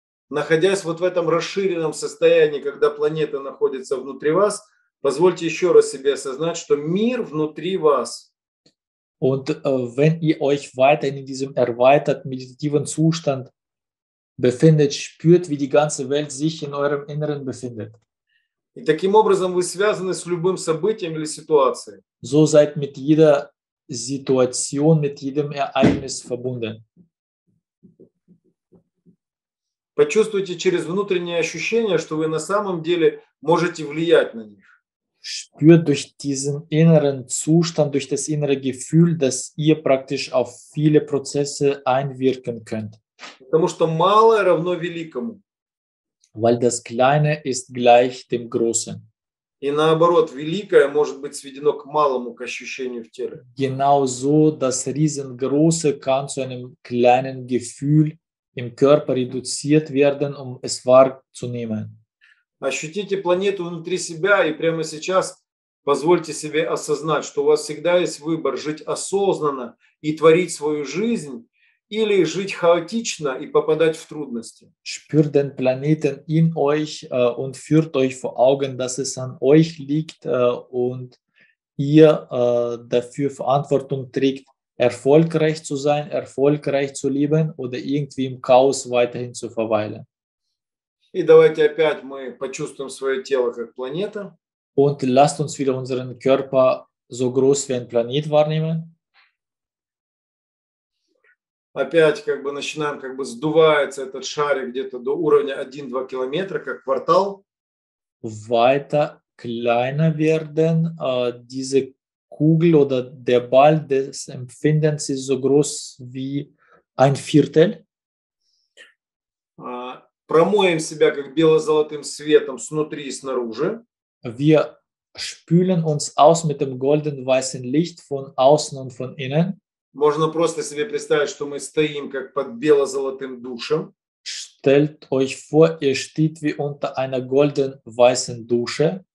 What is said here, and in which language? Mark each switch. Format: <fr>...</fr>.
<ru>Находясь вот в этом расширенном состоянии, когда планета находится внутри вас, позвольте еще раз себе осознать, что мир внутри вас.</ru> <de>Und wenn ihr euch weiterhin in diesem erweiterten meditativen Zustand befindet, spürt, wie die ganze Welt sich in eurem Inneren befindet.</de> <ru>И таким образом вы связаны с любым событием или ситуацией.</ru> <de>So seid mit jeder Situation, mit jedem Ereignis verbunden.</de> <ru>Почувствуйте через внутренние ощущения, что вы на самом деле можете влиять на них.</ru> <de>Spürt durch diesen inneren Zustand, durch das innere Gefühl, dass ihr praktisch auf viele Prozesse einwirken könnt.</de> <ru>Потому что малое равно великому.</ru> <de>Weil das Kleine ist gleich dem Großen.</de> <ru>И наоборот, великое может быть сведено к малому, к ощущению в теле.</ru> <de>Genau so, das Riesengroße kann zu einem kleinen Gefühl im Körper reduziert werden, um es wahrzunehmen.</de> <ru>Ощутите планету внутри себя и прямо сейчас позвольте себе осознать, что у вас всегда есть выбор жить осознанно и творить свою жизнь или жить хаотично и попадать в трудности.</ru> <de>Spürt den Planeten in euch und führt euch vor Augen, dass es an euch liegt und ihr dafür Verantwortung trägt, erfolgreich zu sein, erfolgreich zu leben oder irgendwie im Chaos weiterhin zu verweilen.</de> <ru>И давайте опять мы почувствуем свое тело как планета.</ru> <de>Und lasst uns wieder unseren Körper so groß wie ein Planet wahrnehmen.</de> <ru>Опять как бы начинаем, как бы сдувается этот шарик где-то до уровня 1-2 километра, как квартал.</ru> <de>Weiter kleiner werden, diese Kugel oder der Ball des Empfindens ist so groß wie ein Viertel.</de> <ru>Промоем себя как бело-золотым светом снутри и снаружи.</ru> <de>Wir spülen uns aus mit dem golden-weißen Licht von außen und von innen.</de> <ru>Можно просто себе представить, что мы стоим как под бело-золотым душем.</ru> <de>Stellt euch vor, ihr steht wie unter einer golden-weißen Dusche.</de>